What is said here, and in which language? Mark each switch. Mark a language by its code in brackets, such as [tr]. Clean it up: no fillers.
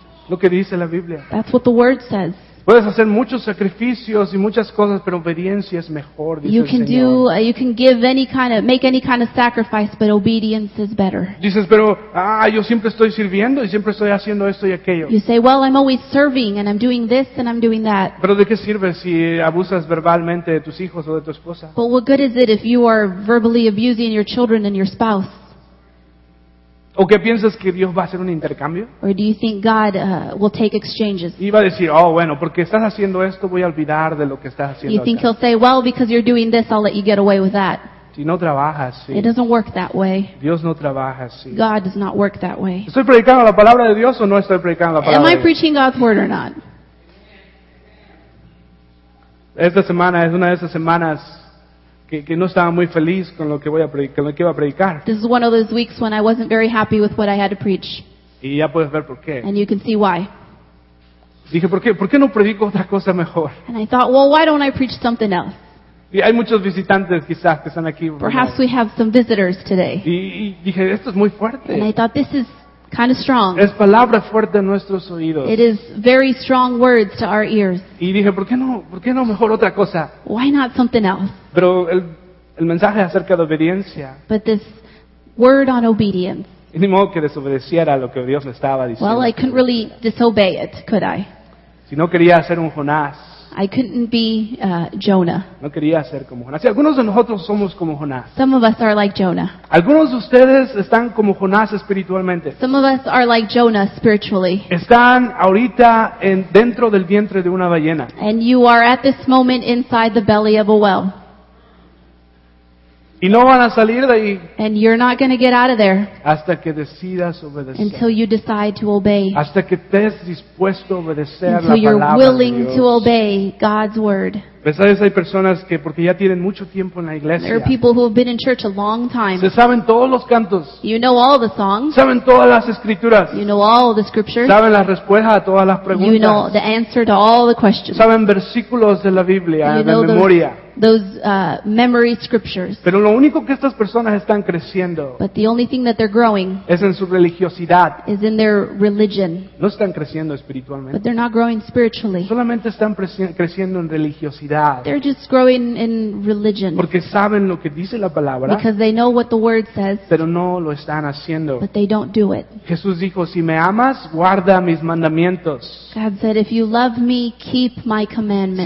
[es] Lo que dice la Biblia. [en] That's what the word says. [es] Puedes hacer muchos sacrificios y muchas cosas, pero obediencia es mejor, dice el Señor. [en] You can give any kind of, make any kind of sacrifice, but obedience is better. [es] Dices, pero, yo siempre estoy sirviendo y siempre estoy haciendo esto y aquello. [en] You say, well, I'm always serving and I'm doing this and I'm doing that. [es] Pero ¿de qué sirve si abusas verbalmente de tus hijos o de tu esposa? [en] But what good is it if you are verbally abusing your children and your spouse? [es] ¿O qué piensas que Dios va a hacer un intercambio? [en] Or do you think God will take exchanges? [es] Y va a decir, bueno, porque estás haciendo esto, voy a olvidar de lo que estás haciendo. [en] You think [es] acá. [en] He'll say, well, because you're doing this, I'll let you get away with that. [es] Si no trabajas, sí. [en] It doesn't work that way. [es] Dios no trabaja así. [en] God does not work that way. [es] ¿Estoy predicando la palabra de Dios o no estoy predicando la palabra de Dios? [en] Am I preaching God's word or not? [es] Esta semana es una de esas semanas que no estaba muy feliz con lo que voy a predicar, con lo que iba a predicar. [en] This is one of those weeks when I wasn't very happy with what I had to preach. [es] Y ya puedes ver por qué. [en] And you can see why. [es] Dije, ¿por qué no predico otra cosa mejor? [en] And I thought, well, why don't I preach something else? [es] Y hay muchos visitantes quizás que están aquí. [en] Perhaps we have some visitors today. [es] Y dije, esto es muy fuerte. [en] And I thought, this is kind of strong. [es] Es palabra fuerte en nuestros oídos. [en] It is very strong words to our ears. [es] Y dije, ¿por qué no mejor otra cosa? [en] Why not something else? [es] Pero el mensaje acerca de obediencia. [en] But this word on obedience. [es] Y ni modo que desobedeciera lo que Dios me estaba diciendo. [en] Well, I couldn't really disobey it, could I? [es] Si no quería ser un Jonás. [en] I couldn't be Jonah. [es] No quería ser como Jonás. Sí, algunos de nosotros somos como Jonás. [en] Some of us are like Jonah. [es] Algunos de ustedes están como Jonás espiritualmente. [en] Some of us are like Jonah spiritually. [es] Están ahorita dentro del vientre de una ballena. [en] And you are at this moment inside the belly of a whale. [es] Y no van a salir de ahí. [en] And you're not going to get out of there. [es] Hasta que decidas obedecer. [en] Until you decide to obey. [es] Hasta que estés dispuesto a obedecer la palabra de Dios. [en] Until you're willing to obey God's word. [es] Pues hay personas que porque ya tienen mucho tiempo en la iglesia. [en] There are people who have been in church a long time. [es] Se saben todos los cantos. [en] You know all the songs. [es] Saben todas las escrituras. [en] You know all the scriptures. [es] Saben las respuestas a todas las preguntas. [en] You know the answer to all the questions. [es] Saben versículos de la Biblia de memoria. [en] Those memory scriptures. [es] Pero lo único que estas personas están creciendo. [en] But the only thing that they're growing. [es] Es en su religiosidad. [en] Is in their religion. [es] No están creciendo espiritualmente. [en] But they're not growing spiritually. [es] Solamente están creciendo en religiosidad. [en] They're just growing in religion. [es] Porque saben lo que dice la palabra. [en] Because they know what the word says. [es] Pero no lo están haciendo. [en] But they don't do it. [es] Jesús dijo, si me amas, guarda mis mandamientos. [en] God said, if you love me, keep my commandments.